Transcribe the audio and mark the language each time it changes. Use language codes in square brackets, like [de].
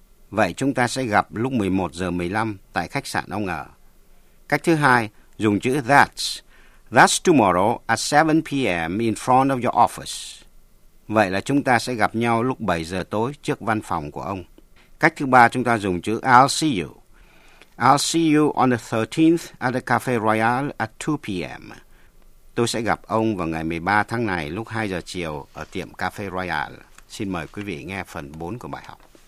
[vi] Vậy chúng ta sẽ gặp lúc 11:15 tại khách sạn ông ở. Cách thứ hai, dùng chữ that's. That's tomorrow at 7 p.m. in front of your office. Vậy là chúng ta sẽ gặp nhau lúc 7 giờ tối trước văn phòng của ông. Cách thứ ba, chúng ta dùng chữ I'll see you. [en] I'll see you on the 13th at the Cafe Royal at 2 p.m. [vi] Tôi sẽ gặp ông vào ngày 13 tháng này lúc 2 giờ chiều ở tiệm Cafe Royal. Xin mời quý vị nghe phần 4 của bài học.